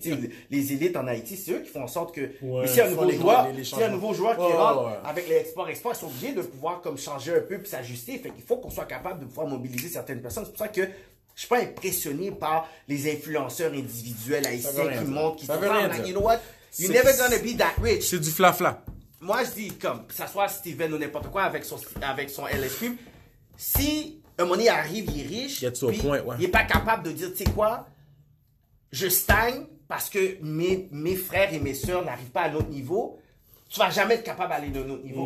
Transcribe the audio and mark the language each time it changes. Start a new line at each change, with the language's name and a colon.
French: Tu sais, les élites en Haïti, c'est eux qui font en sorte que... Ouais, s'il y a un nouveau joueur, avec l'export-export, ils sont obligés de pouvoir comme changer un peu puis s'ajuster. Fait qu'il faut qu'on soit capable de pouvoir mobiliser certaines personnes. C'est pour ça que je suis pas impressionné par les influenceurs individuels haïtiens qui montent, qui sont en train de dire,
English: you know what, you're never gonna be that rich.
French: C'est du fla-fla. Moi, je dis, comme, que ça soit Steven ou n'importe quoi avec son LSU, si... un moment, il arrive, il est riche. Il est au point, ouais. Il n'est pas capable de dire, tu sais quoi, je stagne parce que mes frères et mes sœurs n'arrivent pas à l'autre niveau. Tu ne vas jamais être capable d'aller d'un autre niveau.